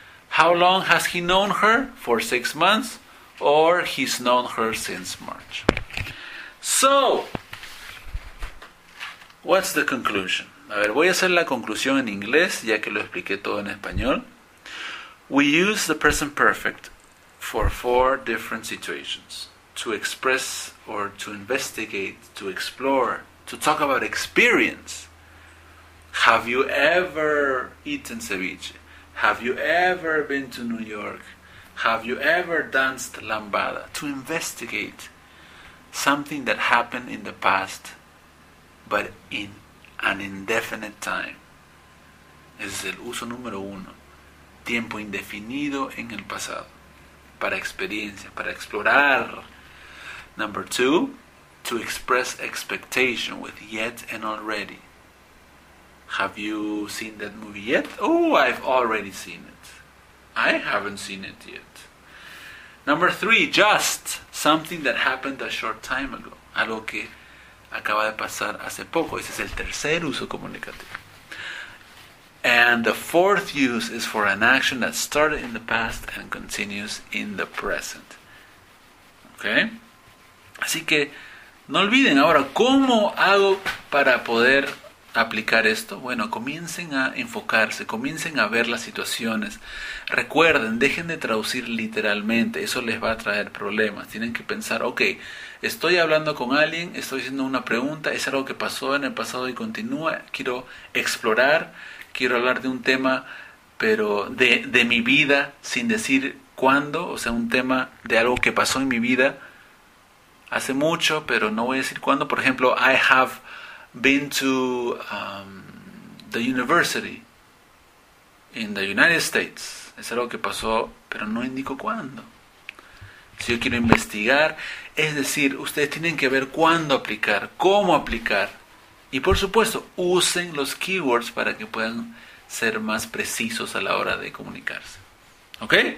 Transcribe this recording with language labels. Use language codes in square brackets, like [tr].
[en] How long has he known her? For 6 months. Or he's known her since March. So, what's the conclusion? [es] A ver, voy a hacer la conclusión en inglés ya que lo expliqué todo en español. [en] We use the present perfect for 4 different situations. To express or to investigate, to explore, to talk about experience. Have you ever eaten ceviche? Have you ever been to New York? Have you ever danced lambada? To investigate something that happened in the past, but in an indefinite time. [es] Ese es el uso número uno. Tiempo indefinido en el pasado, para experiencia, para explorar. [en] Number two, to express expectation with yet and already. Have you seen that movie yet? Oh, I've already seen it. I haven't seen it yet. Number three, just something that happened a short time ago. [es] Algo que acaba de pasar hace poco. Ese es el tercer uso comunicativo. [en] And the fourth use is for an action that started in the past and continues in the present. Okay? [es] Así que no olviden ahora, ¿cómo hago para poder aplicar esto? Bueno, comiencen a enfocarse, comiencen a ver las situaciones. Recuerden, dejen de traducir literalmente, eso les va a traer problemas. Tienen que pensar, ok, estoy hablando con alguien, estoy haciendo una pregunta, es algo que pasó en el pasado y continúa, quiero explorar. Quiero hablar de un tema, pero de mi vida, sin decir cuándo. O sea, un tema de algo que pasó en mi vida hace mucho, pero no voy a decir cuándo. Por ejemplo, [en] I have been to the university in the United States. [es] Es algo que pasó, pero no indico cuándo. Si yo quiero investigar, es decir, ustedes tienen que ver cuándo aplicar, cómo aplicar. Y por supuesto, usen los keywords para que puedan ser más precisos a la hora de comunicarse. ¿Ok?